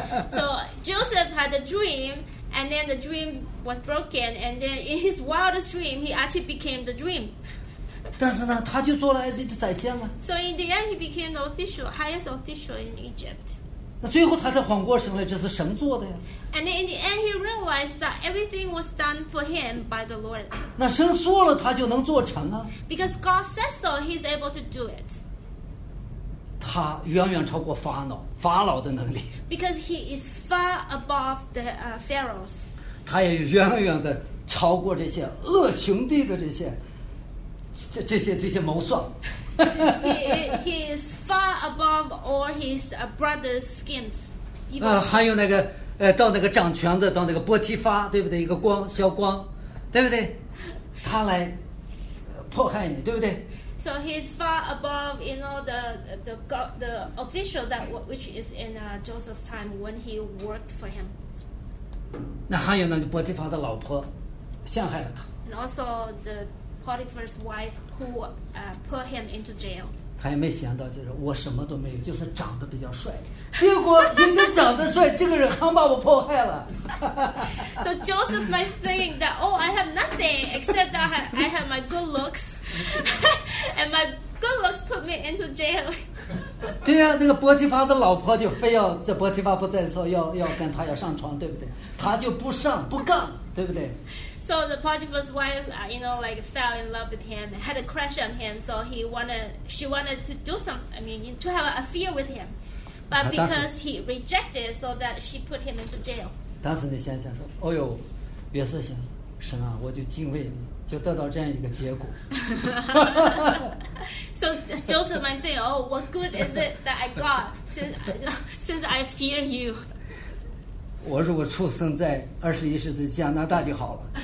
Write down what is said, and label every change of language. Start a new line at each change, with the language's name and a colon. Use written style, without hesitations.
English: So Joseph had a dream, and then the dream was broken, and then in his wildest dream, he actually became the dream.
Chinese: 但是呢，他就做了埃及的宰相啊。
English: So in the end, he became the official, highest official in Egypt.
Chinese: 那最后他才缓过神来，这是神做的呀。
English: And then in the end, he realized that everything was done for him by the Lord.
Chinese: 那神说了，他就能做成啊。
English: Because God says so, he's able to do it.
Chinese: 他远远超过法老的能力。
English: Because he is far above the pharaohs.
Chinese: 他也远远的超过这些恶兄弟的这些。这些谋算
English: he is far above all his brother's schemes.
Chinese: 还有那个到那个掌权的，到那个波提发，对不对？一个光小光，对不对？他来迫害你，对不对？
English: So he is far above, you know, the official that which is in Joseph's time when he worked for him.
Chinese: 那还有那个波提发的老婆陷害了他。
English: And also the Potiphar's wife who put him into jail.
Chinese: 他也没想到，就是我什么都没有，就是长得比较帅。结果因为长得帅，这个人还把我迫害了。
English: So Joseph might think that, oh, I have nothing except that I have my good looks, and my good looks put me into jail.
Chinese: 对呀、啊，那个波提法的老婆就非要在波提法不在的时候要跟他要上床，对不对？他就不上不干，对不对？
English: So the Potiphar's wife, you know, like fell in love with him, had a crush on him. So she wanted to have an affair with him. but because he rejected, so that she put him into jail.
Chinese: 当时那先生说：“哦呦，约瑟行，神啊，我就敬畏你，就得到这样一个结果。
English: ” So Joseph might say, "Oh, what good is it that I got since I fear you?"
Chinese: 我如果出生在二十一世纪加拿大就好了。